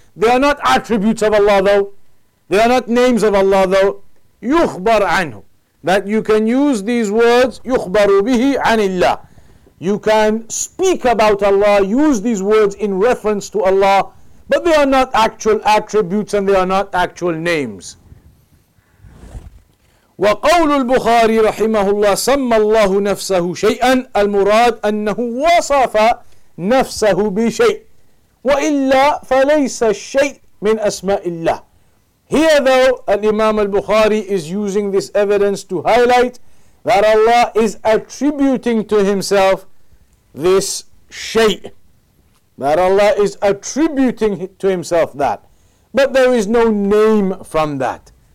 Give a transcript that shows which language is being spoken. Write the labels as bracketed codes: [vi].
[en] They are not attributes of Allah though. They are not names of Allah though. [ar] يخبر عنه. [en] That you can use these words, [ar] يخبر به عن الله. [en] You can speak about Allah, use these words in reference to Allah, but they are not actual attributes and they are not actual names. [ar] وقول البخاري رحمه الله سمى الله نفسه شيئا المراد أنه وصف نفسه بشيء وإلا فليس الشيء من أسماء الله. [en] Here though, Imam al-Bukhari is using this evidence to highlight that Allah is attributing to himself this شيء. That Allah is attributing to himself that. But there is no name from that.